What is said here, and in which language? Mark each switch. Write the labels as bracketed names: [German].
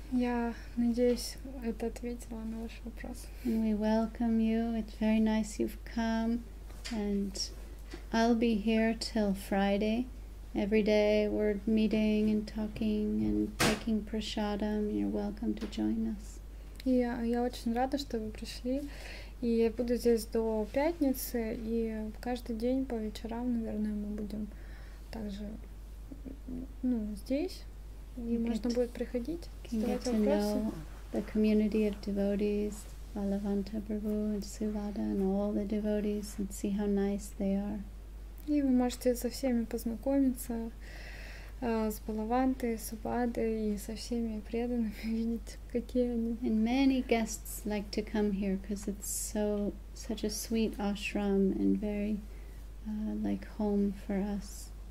[Russian] Я надеюсь, это ответило на ваш вопрос. [English] We welcome you. It's very nice you've come, and I'll be here till Friday. Every day we're meeting and talking and taking prasadam. You're welcome to join us. [Russian] Я очень рада, что вы пришли, и я буду здесь до пятницы, и каждый день по вечерам, наверное, мы будем также, ну, здесь, и можно будет приходить, задавать вопросы. [English] You can get to know the community of devotees, Balavanta Prabhu and Suvada and all the devotees, and see how nice they are. [Russian] И вы можете со всеми познакомиться, с Балавантой, Субадой и со всеми преданными, видеть, какие они. [English] And many guests like to come here because it's so such a sweet ashram and very like home for us.